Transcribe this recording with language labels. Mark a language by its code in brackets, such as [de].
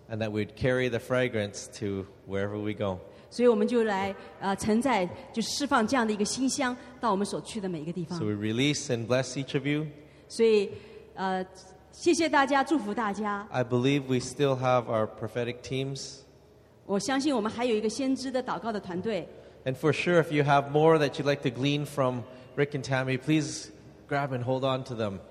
[en] And that we'd carry the fragrance to wherever we go. [zh] 所以我们就来承载，就释放这样的一个馨香到我们所去的每一个地方。 [en] So we release and bless each of you. [zh] 所以，谢谢大家，祝福大家。 [en] I believe we still have our prophetic teams. [zh] 我相信我们还有一个先知的祷告的团队。 [en] And for sure, if you have more that you'd like to glean from Rick and Tammy, please grab and hold on to them.